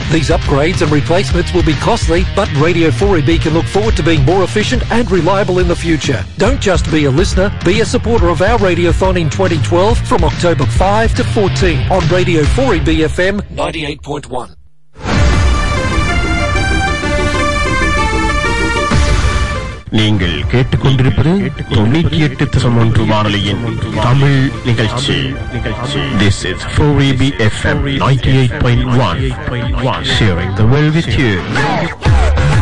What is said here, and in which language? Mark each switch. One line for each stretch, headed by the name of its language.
English: These upgrades and replacements will be costly, but Radio 4EB can look forward to being more efficient and reliable in the future. Don't just be a listener, be a supporter of our Radiothon in 2012 from October 5 to 14 on Radio 4EBFM 98.1.
Tamil: நீங்கள் கேட்டுக்கொண்டிருப்பது 98.1 வானொலியின் தமிழ் நிகழ்ச்சி.
English: This is 4EB FM 98.1, sharing the world with you.